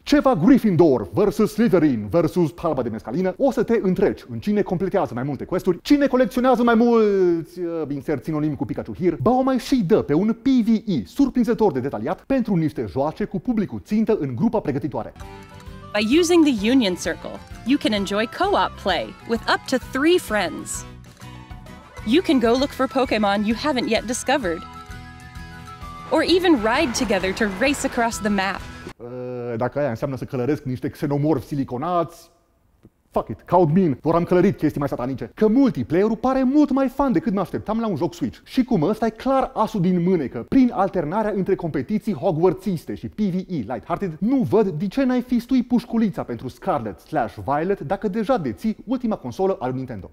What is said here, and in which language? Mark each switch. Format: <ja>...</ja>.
<ro>Ceva Gryffindor vs. Slytherin vs. Palma de Mescalină, o să te întreci în cine completează mai multe questuri, cine colecționează mai mulți, insert sinonim cu Pikachu here, ba o mai și dă pe un PvE surprinzător de detaliat pentru niște joace cu publicul țintă în grupa pregătitoare.</ro> <en>By using the Union Circle, you can enjoy co-op play with up to 3 friends. You can go look for Pokémon you haven't yet discovered. Or even ride together to race across the map.</en> <ro>Dacă aia înseamnă să călăresc niște xenomorfi siliconați,</ro> <en>fuck it,</en> <ro>caut min, doar am călărit chestii mai satanice. Că multiplayer-ul pare mult mai fun decât mă așteptam la un joc Switch. Și cum ăsta e clar asul din mânecă, prin alternarea între competiții Hogwarts-iste și PvE Lighthearted, nu văd de ce n-ai fi stui pușculița pentru Scarlet/Violet dacă deja deții ultima consolă al Nintendo.</ro>